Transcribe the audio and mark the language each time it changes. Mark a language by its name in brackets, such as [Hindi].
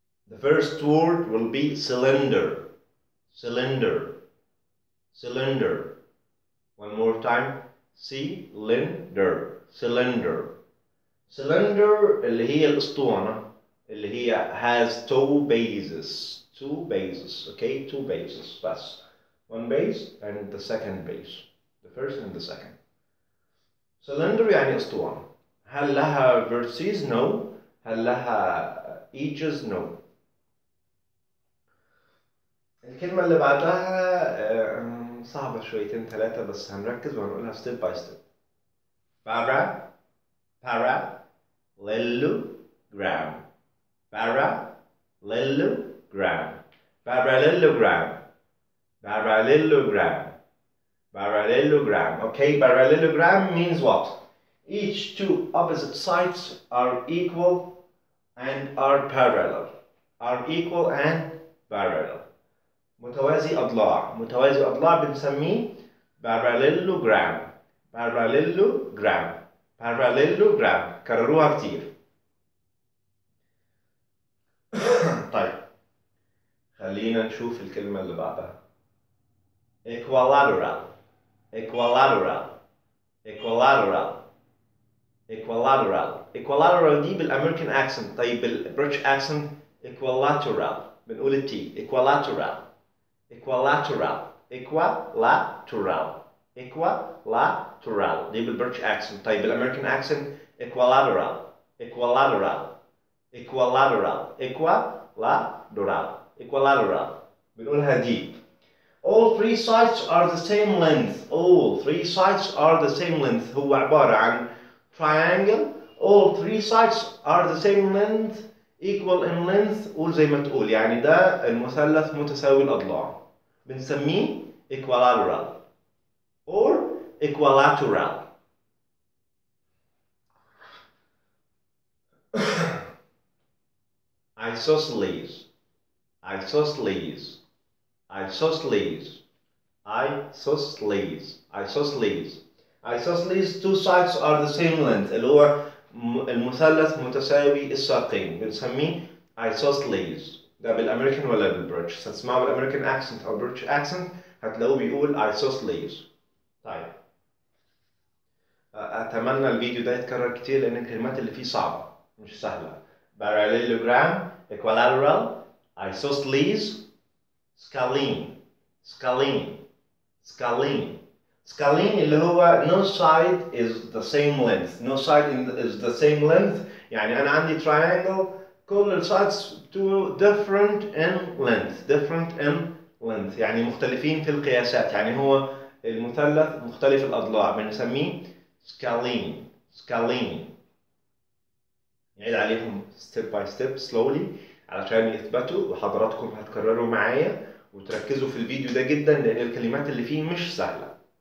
[English] The first word will be cylinder. Cylinder. Cylinder. One more time. Cylinder. Cylinder. [Arabic] Cylinder اللي هي الأسطوانة اللي هي [English] has two bases. Two bases. Okay, two bases. بس. One base and the second base. The first and the second. [Arabic] Cylinder يعني أسطوانة. هل لها vertices? [English] No. [Arabic] هل لها edges? [English] No. [Arabic] الكلمة اللي بعدها صعبة شويتين ثلاثة بس هنركز وهنقولها [English] step by step. Para, para, lelu, gram. Para, lelu, gram. Para, lelu, gram. Para, lelu, gram. Para, lelu, gram. Okay, para, lelu, gram means what? Each two opposite sides are equal and are parallel. Are equal and parallel. [Arabic] متوازي أضلاع، متوازي أضلاع بنسميه parallelogram. [English] Parallelogram. Parallelogram. [Arabic] كرروها كتير. طيب خلينا نشوف الكلمة اللي بعدها. [English] Equilateral. Equilateral. Equilateral. Equilateral. [Arabic] Equilateral دي بالأمريكان أكسنت، طيب بالبريتش أكسنت equilateral بنقول التي equilateral. [English] Equilateral, equilateral, equilateral. [Arabic] دي بالبريتش اكسنت، طيب بالامريكان اكسنت equilateral, equilateral, equilateral, equilateral, equilateral. بنقولها دي. [English] All three sides are the same length. All three sides are the same length. [Arabic] هو عبارة عن triangle. [English] All three sides are the same length, equal in length. [Arabic] قول زي ما تقول، يعني ده المثلث متساوي الأضلاع. [English] بنسميه equilateral or equilateral. Isosceles. Isosceles. Isosceles. Isosceles. Isosceles. Isosceles. Two sides are the same length. [Arabic] اللي هو المثلث متساوي الساقين. بنسميه isosceles. ده بالامريكان ولا بالبريتش؟ هتسمعه بالامريكان اكسنت او بريتش اكسنت هتلاقوه بيقول isosceles. طيب اتمنى الفيديو ده يتكرر كتير لان الكلمات اللي فيه صعبه مش سهله. [English] parallelogram, equilateral, isosceles, scalene. Scalene. Scalene. Scalene [Arabic] اللي هو [English] no side is the same length. No side is the same length. [Arabic] يعني انا عندي [English] triangle كل sides two different in length. Different in length [Arabic] يعني مختلفين في القياسات، يعني هو المثلث مختلف الأضلاع بنسميه scalene. [English] Scalene. [Arabic] نعيد عليهم [English] step by step slowly [Arabic] علشان يثبتوا وحضراتكم هتكرروا معايا وتركزوا في الفيديو ده جدا لأن الكلمات اللي فيه مش سهلة.